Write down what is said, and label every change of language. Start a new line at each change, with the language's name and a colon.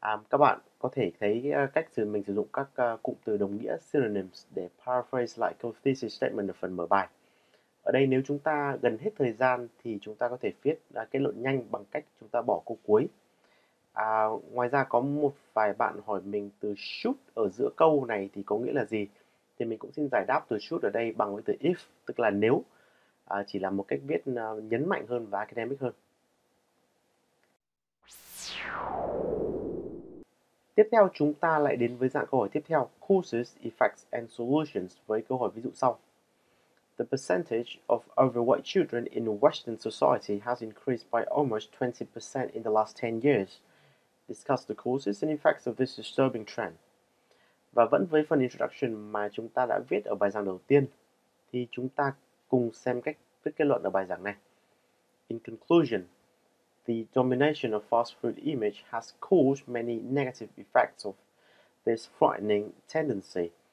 Vietnamese: Các bạn có thể thấy cách mình sử dụng các cụm từ đồng nghĩa synonyms để paraphrase lại câu thesis statement ở phần mở bài. Ở đây nếu chúng ta gần hết thời gian thì chúng ta có thể viết kết luận nhanh bằng cách chúng ta bỏ câu cuối. Ngoài ra có một vài bạn hỏi mình từ should ở giữa câu này thì có nghĩa là gì? Thì mình cũng xin giải đáp từ should ở đây bằng với từ if, tức là nếu. Chỉ là một cách viết nhấn mạnh hơn và academic hơn. Tiếp theo chúng ta lại đến với dạng câu hỏi tiếp theo,
English: causes, effects and solutions
Vietnamese: với câu hỏi ví dụ sau.
English: The percentage of overweight children in Western society has increased by almost 20% in the last 10 years. Discuss the causes and effects of this disturbing trend.
Vietnamese: Và vẫn với phần introduction mà chúng ta đã viết ở bài giảng đầu tiên, thì chúng ta cùng xem cách viết kết luận ở bài giảng này.
English: In conclusion, the domination of fast food image has caused many negative effects of this frightening tendency.